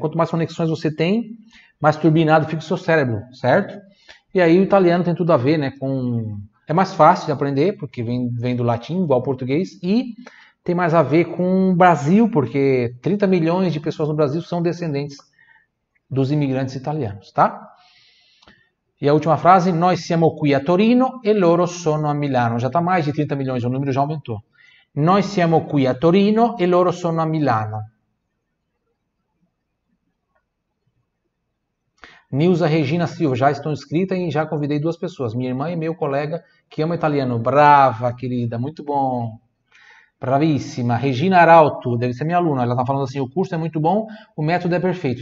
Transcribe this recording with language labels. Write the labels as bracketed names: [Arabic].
[Portuguese] Quanto mais conexões você tem, mais turbinado fica o seu cérebro, certo? E aí o italiano tem tudo a ver, né, é mais fácil de aprender, porque vem do latim, igual ao português, e tem mais a ver com o Brasil, porque 30 milhões de pessoas no Brasil são descendentes dos imigrantes italianos, tá? E a última frase, [Italian] noi siamo qui a Torino e loro sono a Milano. [Portuguese] Já está mais de 30 milhões, o número já aumentou. [Italian] Noi siamo qui a Torino e loro sono a Milano. [Portuguese] Nilza Regina Silva, já estou inscrita e já convidei duas pessoas, minha irmã e meu colega que ama italiano. Brava, querida, muito bom. Bravíssima. Regina Arauto, deve ser minha aluna. Ela está falando assim: o curso é muito bom, o método é perfeito.